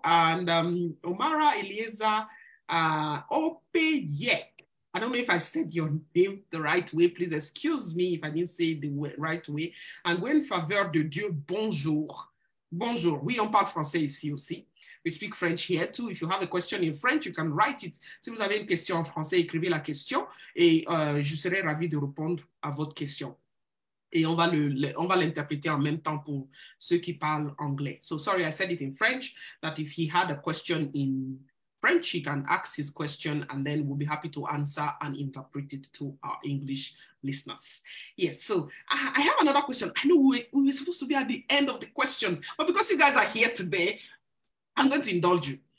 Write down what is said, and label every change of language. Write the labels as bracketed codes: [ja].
[en] And Omara Eliezer, Opeyek. I don't know if I said your name the right way. Please excuse me if I didn't say it the right way. And Gwen Faveur de Dieu, [fr] bonjour. Bonjour. Oui, on parle français ici aussi. [en] We speak French here too. If you have a question in French, you can write it. [fr] Si vous avez une question en français, écrivez la question et je serai ravi de répondre à votre question. Et on va l'interpréter en même temps pour ceux qui parlent anglais. [en] So sorry, I said it in French, that if he had a question in French, he can ask his question and then we'll be happy to answer and interpret it to our English listeners. Yes, so I have another question. I know we were supposed to be at the end of the questions, but because you guys are here today, I'm going to indulge you.